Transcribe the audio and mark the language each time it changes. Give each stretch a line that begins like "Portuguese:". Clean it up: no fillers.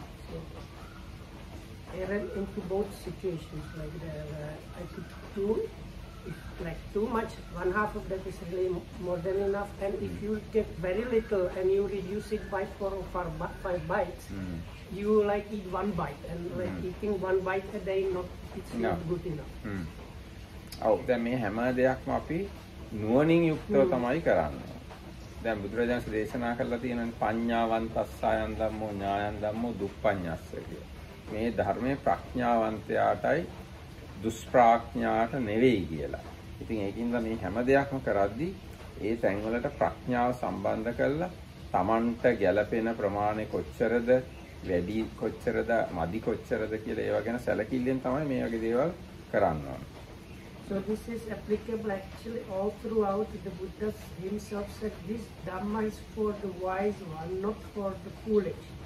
English: So, I ran into both situations, like I could do if, like too much, one half of that is really more than enough, and if you get very little and you reduce it by 4 or 5 bites, you like eat one bite and like eating one bite a day, not it's not good enough.
Sinhala: ඔව් දැන් මේ හැම දෙයක්ම අපි නුවණින් යුක්තව තමයි කරන්නේ. දැන් බුදුරජාණන් දේශනා කරලා තියෙන
Pali: පඤ්ඤාවන්තස්සයන් ධම්මෝ ඥායන් ධම්මෝ දුප්පඤ්ඤස්ස
Sinhala: කියලා. මේ ධර්මයේ ප්‍රඥාවන්තයාටයි දුෂ්ප්‍රඥාට නෙවෙයි කියලා. ඉතින් ඒකින්ද මේ හැම දෙයක්ම කරද්දී ඒ තැන්වලට ප්‍රඥාව සම්බන්ධ කරලා Tamanට ගැළපෙන ප්‍රමාණය කොච්චරද, වැඩි කොච්චරද, මදි කොච්චරද කියලා ඒව ගැන සැලකිල්ලෙන් තමයි මේ වගේ දේවල් කරන්න ඕනේ.
English: So this is applicable actually all throughout. The Buddha himself said this Dhamma is for the wise one, not for the foolish.